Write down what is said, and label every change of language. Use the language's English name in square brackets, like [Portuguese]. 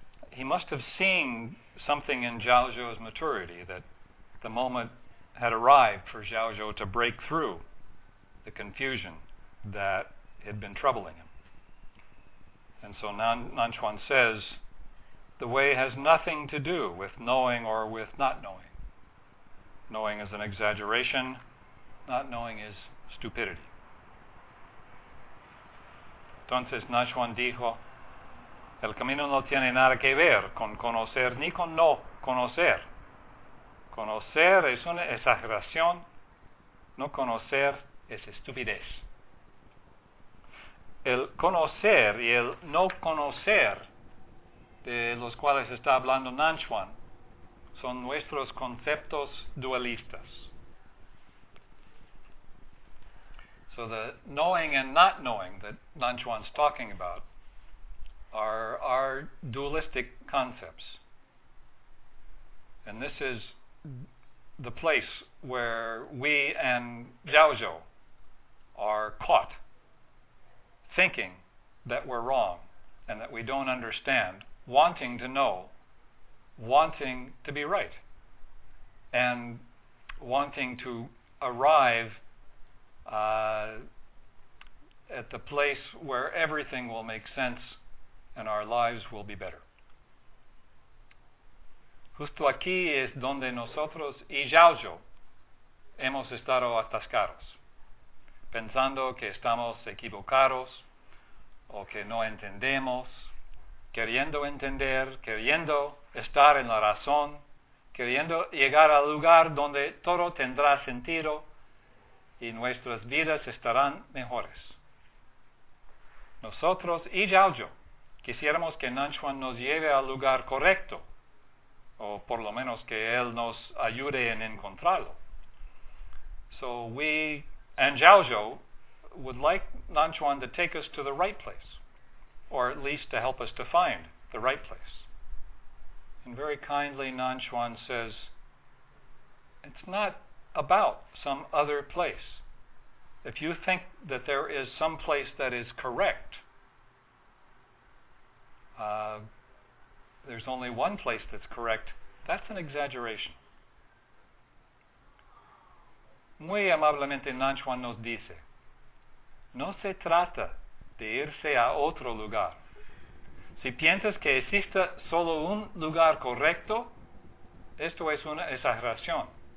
[English] He must have seen something in Xiaozhou's maturity, that the moment had arrived for Xiaozhou to break through the confusion that had been troubling him. And so Nan Chuan says, "The way has nothing to do with knowing or with not knowing. Knowing is an exaggeration, not knowing is stupidity." [Spanish] Entonces Nan Chuan dijo, "El camino no tiene nada que ver con conocer ni con no conocer. Conocer es una exageración, no conocer es estupidez. El conocer y el no conocer de los cuales está hablando Nan Chuan son nuestros conceptos dualistas." [English] So the knowing and not knowing that Nan Chuan's talking about are our dualistic concepts. And this is the place where we and Xiaozhou are caught thinking that we're wrong and that we don't understand, wanting to know, wanting to be right, and wanting to arrive at the place where everything will make sense and our lives will be better. [Spanish] Justo aquí es donde nosotros y Xiaozhou hemos estado atascados, pensando que estamos equivocados o que no entendemos, queriendo entender, queriendo estar en la razón, queriendo llegar al lugar donde todo tendrá sentido y nuestras vidas estarán mejores. Nosotros y Xiaozhou quisiéramos que Nan Chuan nos lleve al lugar correcto, o por lo menos que él nos ayude en encontrarlo. [English] So we and Xiaozhou would like Nan Chuan to take us to the right place, or at least to help us to find the right place. And very kindly Nan Chuan says, "It's not about some other place. If you think that there is some place that is correct, there's only one place that's correct, that's an exaggeration." [Spanish] Muy amablemente Nan Chuan nos dice, "No se trata de irse a otro lugar. Si piensas que exista solo un lugar correcto, esto es una exageración.